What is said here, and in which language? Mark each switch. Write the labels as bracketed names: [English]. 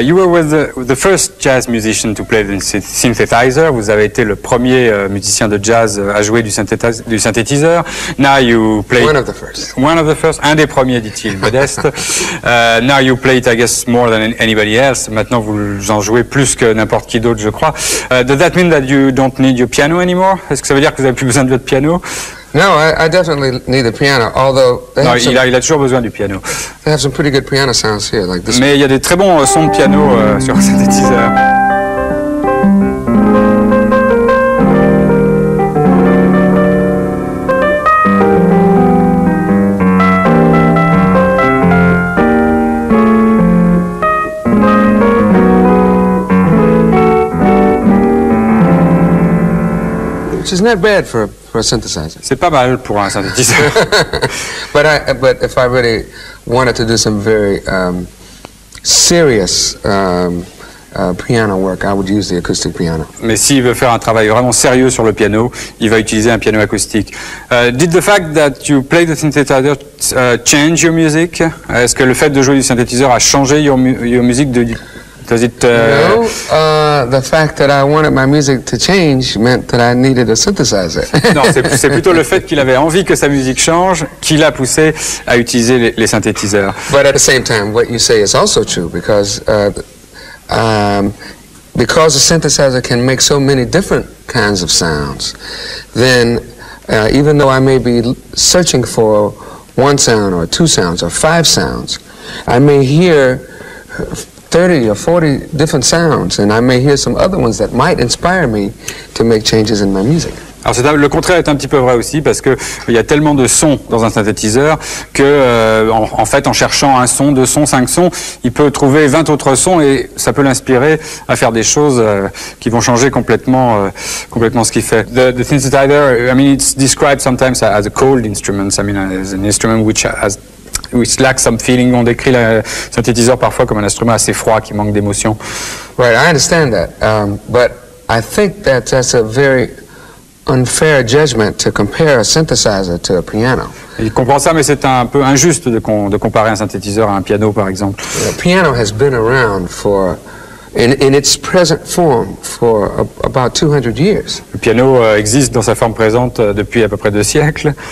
[English] You were with the first jazz musician to play the synthesizer. [French] Vous avez été le premier musicien de jazz à jouer du synthétiseur. [English] Now you play one of the first, [French] un des premiers, dit-il, modeste. [English] Now you play it, I guess, more than anybody else. [French] Maintenant, vous en jouez plus que n'importe qui d'autre, je crois. [English] Does that mean that you don't need your piano anymore? [French] Est-ce que ça veut dire que vous n'avez plus besoin de votre piano? [English] No, I definitely need the piano, although... [French] Il a toujours besoin du piano. [English] They have some pretty good piano sounds here, like this. [French] Mais il y a des très bons sons de piano sur le synthétiseur. [English] Which is not bad for a synthesizer. [French] C'est pas mal pour un synthétiseur. [English] but if I really wanted to do some very serious piano work, I would use the acoustic piano. [French] Mais s'il veut faire un travail vraiment sérieux sur le piano, il va utiliser un piano acoustique. [English] Did the fact that you play the synthesizer change your music? [French] Est-ce que le fait de jouer du synthétiseur a changé [English] your music? The fact that I wanted my music to change meant that I needed a synthesizer. [French] Non, c'est plutôt le fait qu'il avait envie que sa musique change qui l'a poussé à utiliser les synthétiseurs. [English] But at the same time, what you say is also true because a synthesizer can make so many different kinds of sounds, then even though I may be searching for one sound or two sounds or five sounds, I may hear 30 or 40 different sounds, and I may hear some other ones that might inspire me to make changes in my music. [French] Alors c'est le contraire est un petit peu vrai aussi parce que il y a tellement de sons dans un synthétiseur que en fait en cherchant un son, deux sons, cinq sons, il peut trouver 20 autres sons et ça peut l'inspirer à faire des choses qui vont changer complètement complètement ce qu'il fait. [English] The synthesizer, I mean, it's described sometimes as a cold instrument. I mean, as an instrument which has which lacks some feeling. [French] On décrit le synthétiseur parfois comme un instrument assez froid qui manque d'émotion. [English] Right, I understand that, but I think that that's a very unfair judgment to compare a synthesizer to a piano. [French] Il comprend ça, mais c'est un peu injuste de comparer un synthétiseur à un piano, par exemple. [English] The piano has been around for in its present form for about 200 years. [French] Le piano existe dans sa forme présente depuis à peu près deux siècles.